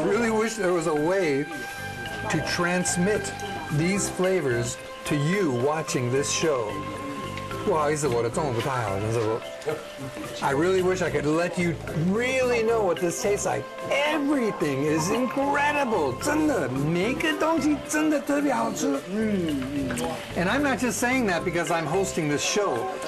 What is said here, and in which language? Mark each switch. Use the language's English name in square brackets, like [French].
[English] really wish there was a way to transmit these flavors to you watching this show. [Chinese] 不好意思，我的中文不太好，但是我。 [English] I really wish I could let you really know what this tastes like. Everything is incredible. [Chinese] 真的，每个东西真的特别好吃。 [English] And I'm not just saying that because I'm hosting this show.